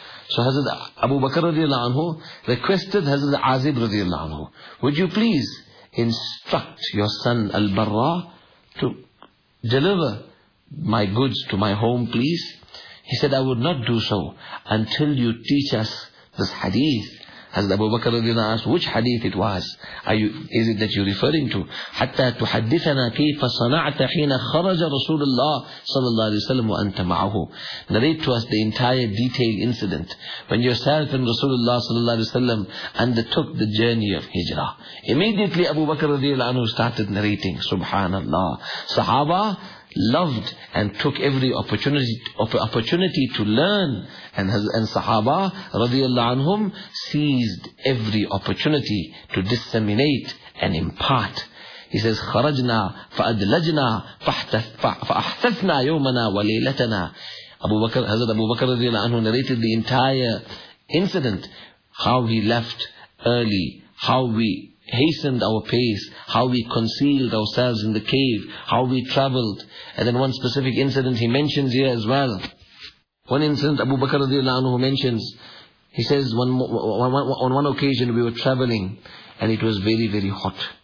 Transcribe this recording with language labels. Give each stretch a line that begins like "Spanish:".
English: So Hazrat Abu Bakr radiallahu anhu requested Hazrat Azib radiallahu anhu, would you please instruct your son Al-Barra to deliver my goods to my home, please? He said, I would not do so until you teach us this hadith. Hazrat Abu Bakr radiallahu anhu asked, which hadith it was? Is it that you're referring to?
Arabic: حتى تحدثنا كيف صنعت حين خرج رسول الله صلى الله عليه وسلم وأنت معه.
English: Narrate to us the entire detailed incident when yourself and Rasulullah صلى الله عليه وسلم undertook the journey of hijrah. Immediately Abu Bakr radiallahu anhu started narrating. Subhanallah. Sahaba loved and took every opportunity to learn, and Sahaba radiallahu anhum seized every opportunity to disseminate and impart. He says,
Arabic: خَرَجْنَا فَأَدْلَجْنَا فَأَحْتَثْنَا يَوْمَنَا وَلَيْلَتَنَا. Hazrat Abu Bakr radiallahu anhu narrated the entire incident, how we left early, how we hastened our pace, how we concealed ourselves in the cave, how we traveled. And then one specific incident he mentions here as well. One incident Abu Bakr radiallahu anhu mentions, he says, on one occasion we were traveling and it was very, very hot.